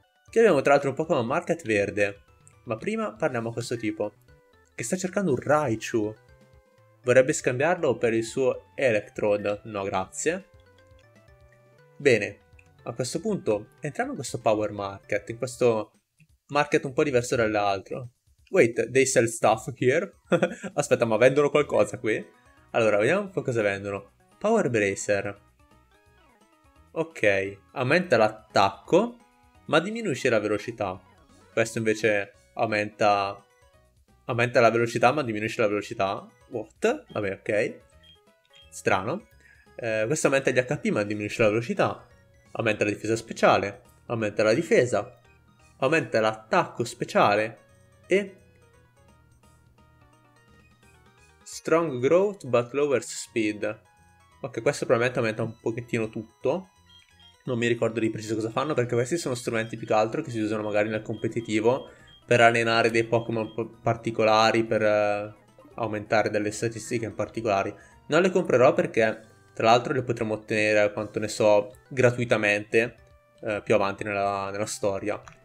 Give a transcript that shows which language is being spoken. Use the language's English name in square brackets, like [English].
[Italian] Qui abbiamo tra l'altro un Pokémon Market verde, ma prima parliamo a questo tipo, che sta cercando un Raichu. Vorrebbe scambiarlo per il suo Electrode, no grazie. Bene, a questo punto entriamo in questo Power Market, in questo market un po' diverso dall'altro. [English] Wait, they sell stuff here? [Italian] Aspetta, ma vendono qualcosa qui? Allora, vediamo un po' cosa vendono. Power Bracer. Ok, aumenta l'attacco, ma diminuisce la velocità. Questo invece aumenta la velocità, ma diminuisce la velocità. [English] What? [Italian] Vabbè, ok. Strano. Questo aumenta gli HP, ma diminuisce la velocità. Aumenta la difesa speciale. Aumenta la difesa. Aumenta l'attacco speciale. E... [English] Strong Growth, but lower speed. [Italian] Ok, questo probabilmente aumenta un pochettino tutto. Non mi ricordo di preciso cosa fanno, perché questi sono strumenti più che altro che si usano magari nel competitivo per allenare dei Pokémon particolari, per aumentare delle statistiche in particolari. Non le comprerò perché, tra l'altro, le potremo ottenere, quanto ne so, gratuitamente più avanti nella storia.